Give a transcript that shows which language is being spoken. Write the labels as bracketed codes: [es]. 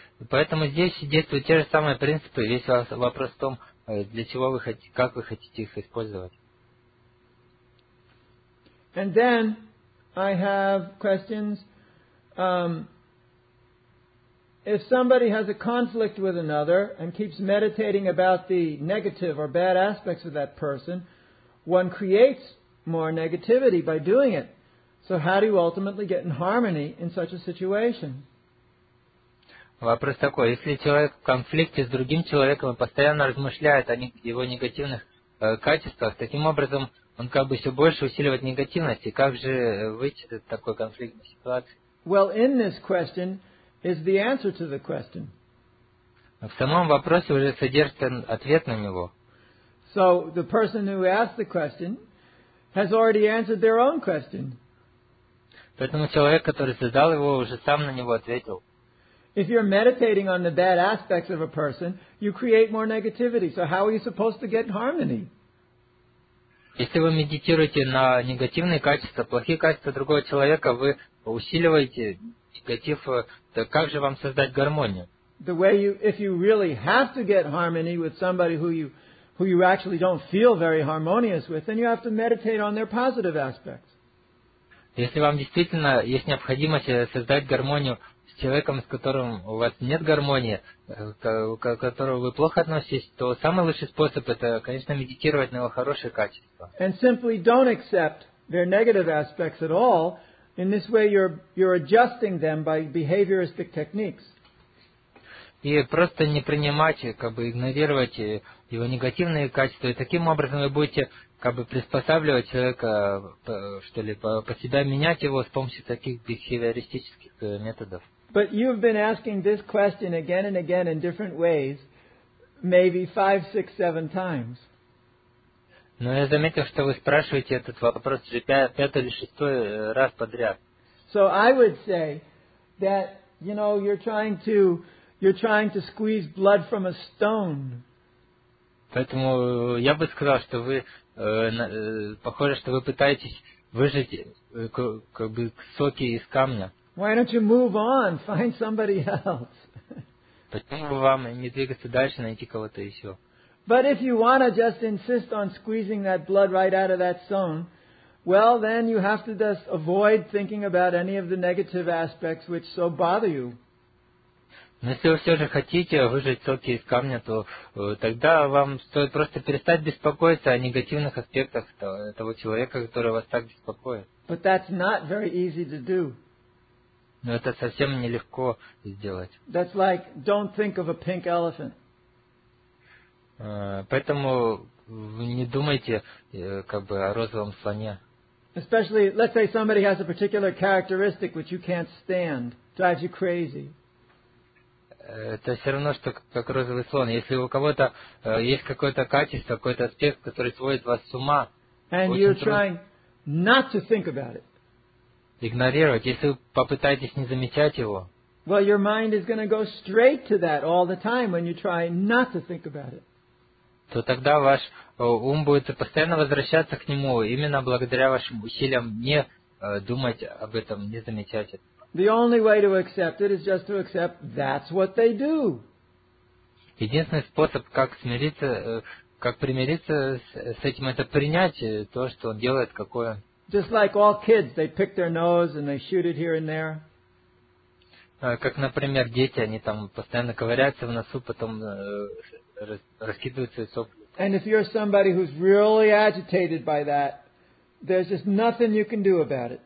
[ru] Поэтому здесь действуют те же самые принципы, весь вопрос в том, для чего вы хотите, как вы хотите их использовать. [en] And then I have questions. If somebody has a conflict with another and keeps meditating about the negative or bad aspects of that person, one creates more negativity by doing it. So how do you ultimately get in harmony in such a situation? [ru] Вопрос такой: если человек в конфликте с другим человеком и постоянно размышляет о его негативных качествах, таким образом он как бы все больше усиливает негативность. И как же выйти из такой конфликтной ситуации? [en] Well, in this question is the answer to the question. [ru] В самом вопросе уже содержится ответ на него. [en] So the person who asked the question has already answered their own question. [ru] Поэтому человек, который задал его, уже сам на него ответил. [en] If you're meditating on the bad aspects of a person, you create more negativity. So how are you supposed to get harmony? [ru] Если вы медитируете на негативные качества, плохие качества другого человека, вы усиливаете негатив, то как же вам создать гармонию? [en] The way you, if you really have to get harmony with somebody who you actually don't feel very harmonious with, then you have to meditate on their positive aspects. [ru] Если вам действительно есть необходимость создать гармонию с человеком, с которым у вас нет гармонии, к которому вы плохо относитесь, то самый лучший способ – это, конечно, медитировать на его хорошие качества. [en] And simply don't accept their negative aspects at all. In this way, you're adjusting them by behavioristic techniques. [ru] И просто не принимать, как бы игнорировать его негативные качества. И таким образом вы будете как бы приспосабливать человека, что ли, по себя менять его с помощью таких бихевиористических методов. [en] But you've been asking this question again and again in different ways, maybe 5, 6, 7 times. [ru] Но я заметил, что вы спрашиваете этот вопрос уже 5 или 6 раз подряд. [en] So I would say that, you know, you're trying to squeeze blood from a stone. [ru] Поэтому я бы сказал, что вы похоже, что вы пытаетесь выжать как бы соки из камня. [en] Why don't you move on? Find somebody else. [ru] Почему бы вам не двигаться дальше, найти кого-то еще? [en] But if you want to just insist on squeezing that blood right out of that stone, well, then you have to just avoid thinking about any of the negative aspects which so bother you. [ru] Но если вы все же хотите выжать соки из камня, то тогда вам стоит просто перестать беспокоиться о негативных аспектах того человека, который вас так беспокоит. [en] But that's not very easy to do. [ru] Но это совсем нелегко сделать. [en] That's like, don't think of a pink elephant. [ru] Поэтому не думайте как бы о розовом слоне. [en] Especially, let's say somebody has a particular characteristic which you can't stand, drives you crazy. [ru] Это все равно, что как розовый слон. Если у кого-то есть какое-то качество, какой-то аспект, который сводит вас с ума, [en] and you're trying not to think about it. [ru] Игнорировать, если вы попытаетесь не замечать его. [en] Well, your mind is going to go straight to that all the time when you try not to think about it. [ru] То тогда ваш ум будет постоянно возвращаться к нему именно благодаря вашим усилиям не думать об этом, не замечать это. [en] The only way to accept it is just to accept that's what they do. [ru] Единственный способ, как смириться, как примириться с этим, это принять то, что он делает, какое. [en] Just like all kids, they pick their nose and they shoot it here and there. [ru] Как, например, дети, они там постоянно ковыряются в носу, потом раскидывают свои сопли. [en] And if you're somebody who's really agitated by that, There's just nothing you can do about it.